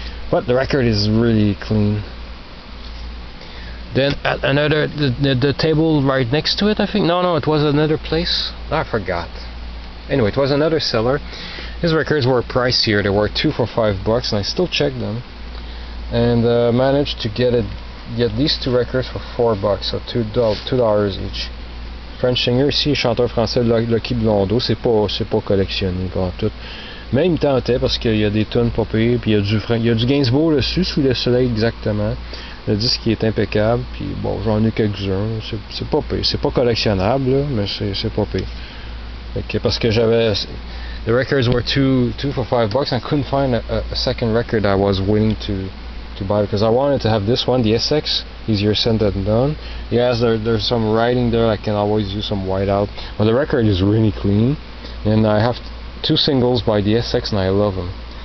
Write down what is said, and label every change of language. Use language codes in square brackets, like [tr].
[en] But the record is really clean. Then at another the table right next to it, I think. No, it was another place. I forgot. Anyway, it was another seller. His records were pricier. They were $2 for $5, and I still checked them. And managed to get these two records for $4, so $2 each. French singer, [fr] ici, chanteur français Lucky Blondeau, c'est pas collectionné, pas tout. Mais il me tentait parce qu'il y a des tonnes pas pires, puis il y a du Gainsbourg dessus, sous le soleil exactement. Le disque est impeccable, puis bon, j'en ai quelques-uns. C'est pas pire, c'est pas collectionnable, là, mais c'est pas pire. Okay, parce que j'avais. [en] The records were $2 for $5, and I couldn't find a second record I was willing to buy because I wanted to have this one, the SX, easier said than done. Yes, there's some writing there, I can always use some whiteout. But the record is really clean, and I have two singles by the SX, and I love them.